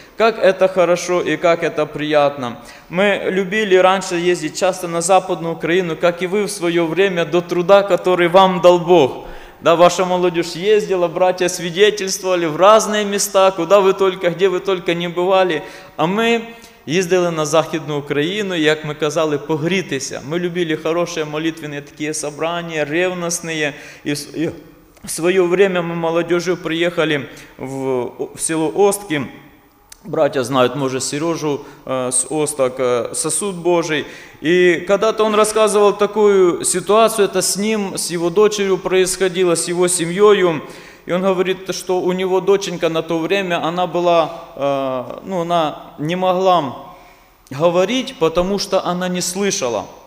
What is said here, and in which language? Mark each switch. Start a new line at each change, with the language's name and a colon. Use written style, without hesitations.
Russian: Как это хорошо и как это приятно. Мы любили раньше ездить часто на Западную Украину, как и вы в свое время, до труда, который вам дал Бог. Да, ваша молодежь ездила, братья свидетельствовали в разные места, куда вы только, где вы только не бывали. А мы ездили
Ukrainian: на Західну Україну, як ми казали, погрітися. Ми любили хороші молитвенні такі собрання, ревностні. І в своє время ми молодежі приїхали в село Остки.
Russian: Братья знают, может, Сережу с Осток, сосуд Божий. И когда-то он рассказывал такую ситуацию, это с ним, с его дочерью происходило, с его семьей. И он говорит, что у него доченька на то время, она была, ну, она не могла говорить, потому что она не слышала.